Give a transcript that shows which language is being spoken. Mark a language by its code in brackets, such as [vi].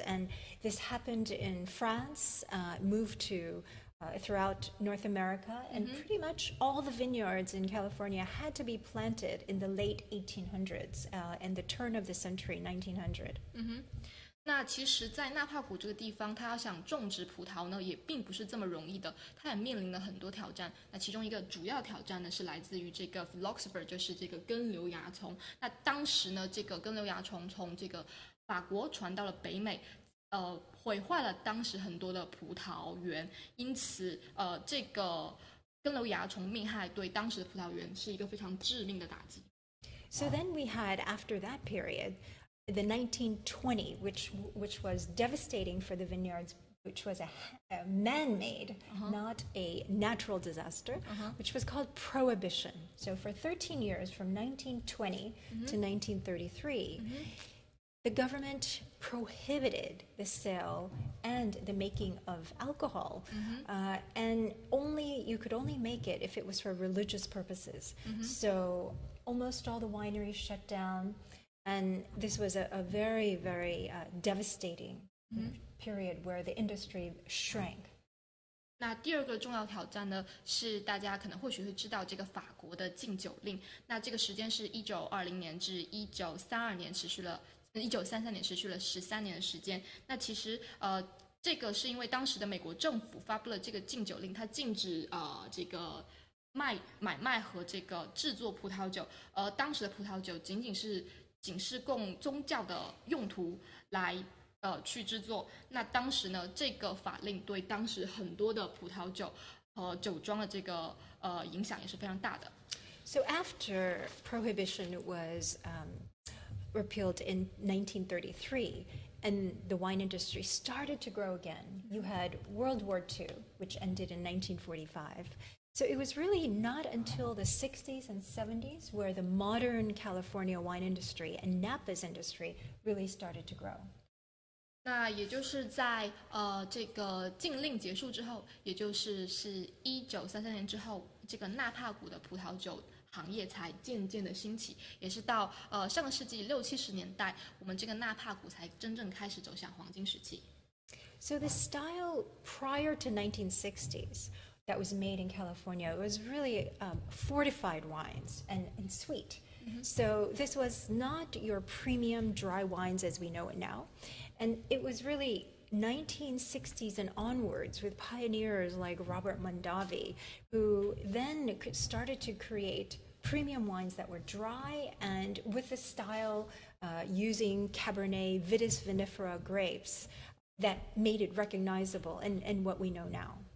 [en] And this happened in France, moved to throughout North America, and pretty much all the vineyards in California had to be planted in the late 1800s and the turn of the century, 1900. Mm-hmm. [zh] 那其实在纳帕谷这个地方，他要想种植葡萄呢也并不是这么容易的，他也面临了很多挑战。那其中一个主要挑战呢是来自于这个 phylloxera， 就是这个根瘤蚜虫。那当时呢，这个根瘤蚜虫从这个法国传到了北美，毁坏了当时很多的葡萄园，因此这个根瘤蚜虫命害对当时的葡萄园是一个非常致命的打击。 [en] So then we had after that periodThe 1920, which was devastating for the vineyards, which was a man-made, not a natural disaster, which was called Prohibition. So for 13 years, from 1920 to 1933, the government prohibited the sale and the making of alcohol, and you could only make it if it was for religious purposes. So almost all the wineries shut down. And this was a very, very devastating period where the industry shrank. [zh] 那第二个重要挑战呢，是大家可能或许会知道这个法国的禁酒令。那这个时间是1920年至1932年，持续了1933年持续了13年的时间。那其实这个是因为当时的美国政府发布了这个禁酒令，它禁止这个。买卖和这个制作葡萄酒，而当时的葡萄酒仅是供宗教的用途来去制作。那当时呢，这个法令对当时很多的葡萄酒和酒庄的这个影响也是非常大的。 [en] So after prohibition was repealed in 1933. And the wine industry started to grow again. You had World War II, which ended in 1945. So it was really not until the 60s and 70s where the modern California wine industry and Napa's industry really started to grow. [zh] 那也就是在这个禁令结束之后，也就是1933年之后，这个纳帕谷的葡萄酒行业才渐渐的兴起，也是到上个世纪六七十年代，我们这个纳帕谷才真正开始走向黄金时期。 [en] So the style prior to 1960s that was made in California was really fortified wines and sweet. So this was not your premium dry wines as we know it now. And it was really 1960s and onwards with pioneers like Robert Mondavi, who then started to create premium wines that were dry and with a style using Cabernet Vitis vinifera grapes that made it recognizable and what we know now.